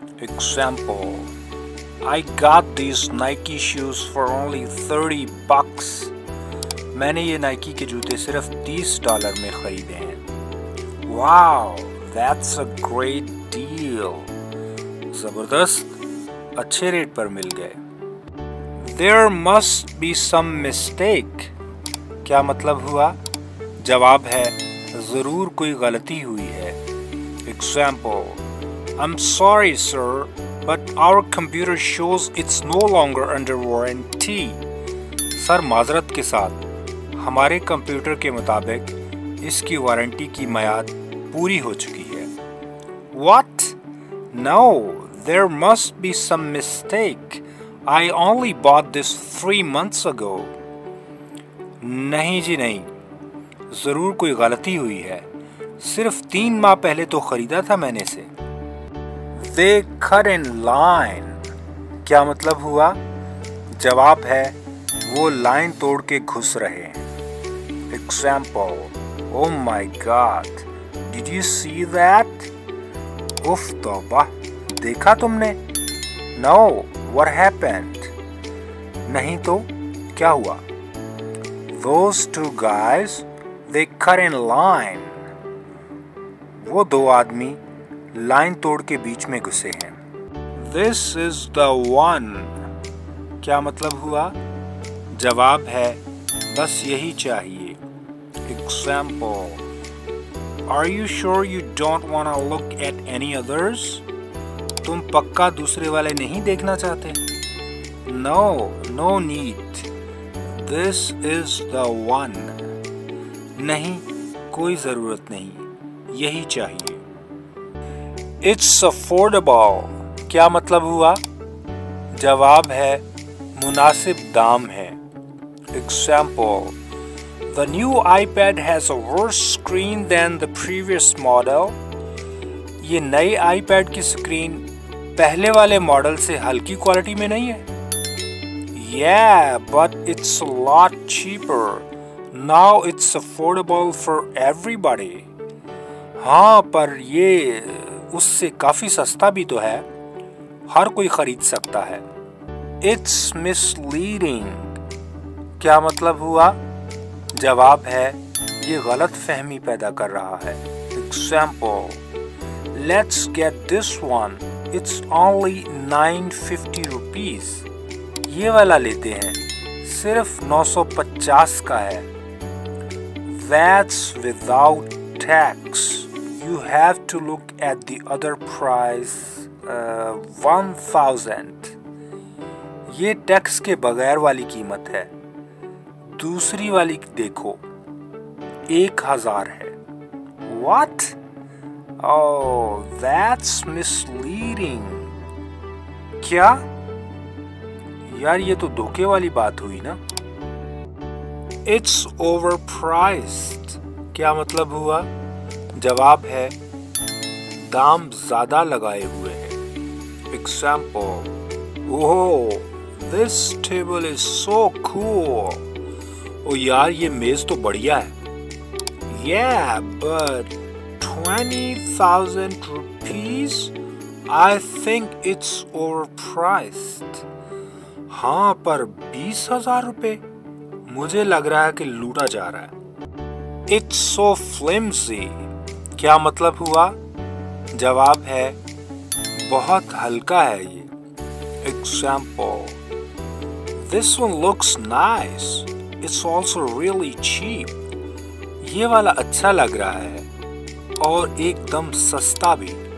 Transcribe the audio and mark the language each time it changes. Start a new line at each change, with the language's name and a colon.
English: Example, I got these Nike shoes for only 30 bucks.
Hindi: मैंने ये Nike के जूते सिर्फ $30 में खरीदे हैं.
English: Wow, that's a great deal.
Hindi: जबरदस्त, अच्छे रेट पर मिल गए.
English: There must be some mistake.
Hindi: क्या मतलब हुआ? जवाब है, जरूर कोई गलती हुई है.
English: Example, I'm sorry, sir, but our computer shows it's no longer under warranty.
Hindi: Sir, माजरत के साथ, हमारे कंप्यूटर के मुताबिक इसकी वारंटी की मियाद पूरी हो चुकी है.
English: What? No, there must be some mistake. I only bought this 3 months ago.
Hindi: नहीं जी नहीं, जरूर कोई गलती हुई है. सिर्फ 3 माह पहले तो खरीदा था मैंने इसे.
English: They cut in line.
Hindi: क्या मतलब हुआ? जवाब है, वो लाइन तोड़ के घुस रहे हैं.
English: Example, oh my god, did you see that?
Hindi: उफ तौबा, देखा तुमने?
English: No, what happened?
Hindi: नहीं तो, क्या हुआ?
English: Those two guys, they cut in line.
Hindi: वो दो आदमी लाइन तोड़ के बीच में घुसे हैं.
English: This is the one.
Hindi: क्या मतलब हुआ? जवाब है, बस यही चाहिए.
English: Example, are you sure you don't want to look at any others?
Hindi: तुम पक्का दूसरे वाले नहीं देखना चाहते?
English: No, no need. This is the one.
Hindi: नहीं, कोई जरूरत नहीं, यही चाहिए.
English: It's affordable.
Hindi: क्या मतलब हुआ? जवाब है, मुनासिब दाम है.
English: Example, the new iPad has a worse screen than the previous model.
Hindi: ये नए iPad की स्क्रीन पहले वाले मॉडल से हल्की क्वालिटी में नहीं है?
English: Yeah, but it's a lot cheaper. Now it's affordable for everybody.
Hindi: हाँ, पर ये उससे काफी सस्ता भी तो है, हर कोई खरीद सकता है.
English: It's misleading.
Hindi: क्या मतलब हुआ? जवाब है, ये गलत फहमी पैदा कर रहा है.
English: Example, let's get this one. It's only 950 rupees.
Hindi: ये वाला लेते हैं, सिर्फ 950 का है.
English: That's without tax. You have to look at the other price, 1000.
Hindi: ये टैक्स के बगैर वाली कीमत है. दूसरी वाली देखो, 1000 है.
English: What? Oh, that's misleading.
Hindi: क्या? यार ये तो धोखे वाली बात हुई ना.
English: It's overpriced.
Hindi: क्या मतलब हुआ? जवाब है, दाम ज्यादा लगाए हुए हैं.
English: Example, oh, this table is so cool.
Hindi: ओ यार, ये मेज तो बढ़िया है.
English: Yeah, but 20,000 rupees, I think it's overpriced.
Hindi: हाँ, पर 20,000 रुपए, मुझे लग रहा है कि लूटा जा रहा है.
English: It's so flimsy.
Hindi: क्या मतलब हुआ? जवाब है, बहुत हल्का है ये.
English: Example, this one looks nice. It's also really cheap.
Hindi: ये वाला अच्छा लग रहा है और एकदम सस्ता भी.